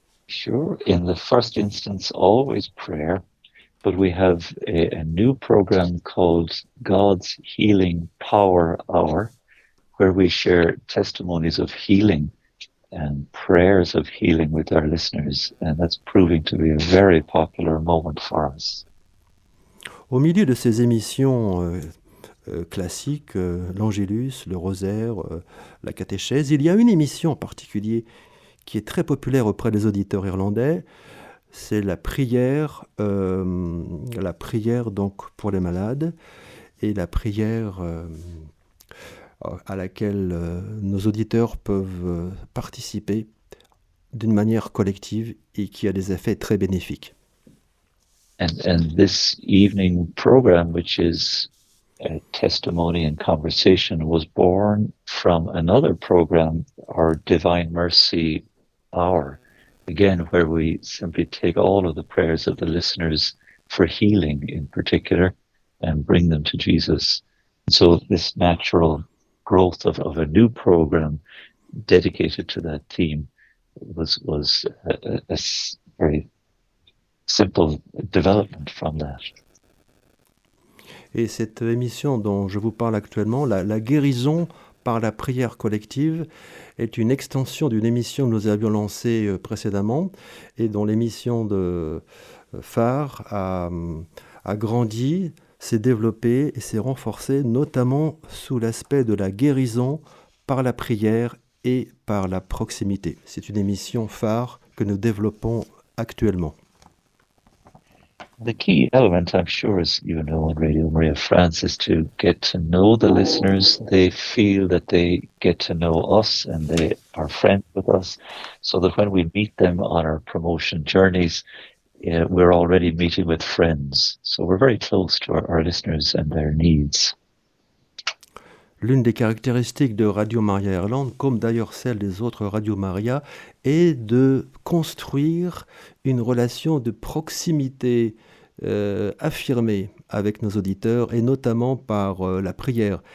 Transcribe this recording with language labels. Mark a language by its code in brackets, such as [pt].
[en] Sure, in the first instance, always prayer, but we have a new program called God's Healing Power Hour, where we share testimonies of healing and prayers of healing with our listeners, and that's proving to be a very popular moment for us. [fr] Au milieu de ces émissions classiques, l'Angélus, le Rosaire, la catéchèse, il y a une émission en particulier qui est très populaire auprès des auditeurs irlandais. C'est la prière donc pour les malades et la prière à laquelle nos auditeurs peuvent participer d'une manière collective et qui a des effets très bénéfiques. [en] And this evening program, which is a testimony and conversation, was born from another program, our Divine Mercy Hour, again, where we simply take all of the prayers of the listeners for healing in particular and bring them to Jesus. And so this natural growth of a new program dedicated to that theme was a very simple development from that. [fr] Et cette émission dont je vous parle actuellement, la guérison par la prière collective, est une extension d'une émission que nous avions lancée précédemment et dont l'émission de phare a grandi, s'est développée et s'est renforcée, notamment sous l'aspect de la guérison par la prière et par la proximité. C'est une émission phare que nous développons actuellement. [en] The key element, I'm sure, as you know, on Radio Maria France, is to get to know the listeners. They feel that they get to know us and they are friends with us, so that when we meet them on our promotion journeys, we're already meeting with friends. So we're very close to our listeners and their needs. [fr] L'une des caractéristiques de Radio Maria Irlande, comme d'ailleurs celle des autres Radio Maria, est de construire une relation de proximité affirmée avec nos auditeurs, et notamment par la prière.